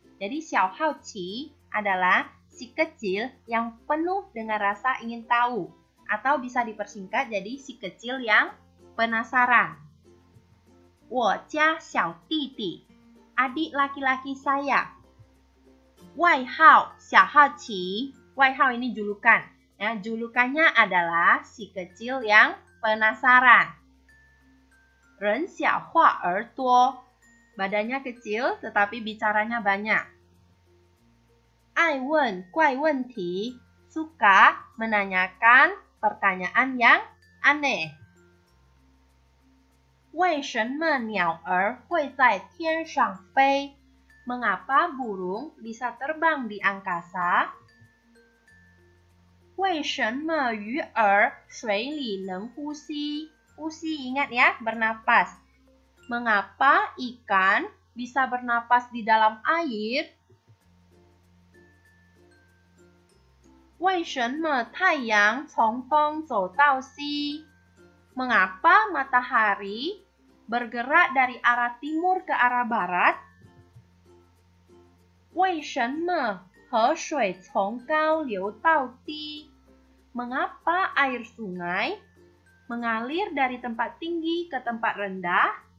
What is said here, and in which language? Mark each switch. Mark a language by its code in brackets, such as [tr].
[id] Jadi 小好奇 adalah si kecil yang penuh dengan rasa ingin tahu, atau bisa dipersingkat jadi si kecil yang penasaran. [zh] 我家小弟弟, [id] adik laki-laki saya. [zh] 外号, 小好奇, 外号 [id] ini julukan. Ya, julukannya adalah si kecil yang penasaran. [zh] 人小话儿多, [id] badannya kecil tetapi bicaranya banyak. [zh] 爱问, 怪问题, [id] suka menanyakan pertanyaan yang aneh. [zh] 为什么鸟儿会在天上飞? [id] Mengapa burung bisa terbang di angkasa? [zh] 为什么鱼儿水里能呼吸? [id] Uzi, ingat ya, bernapas. Mengapa ikan bisa bernapas di dalam air? [zh] 为什么太阳从东走到西? [id] Mengapa matahari bergerak dari arah timur ke arah barat? [zh] 为什么河水从高流到低? [id] Mengapa air sungai mengalir dari tempat tinggi ke tempat rendah?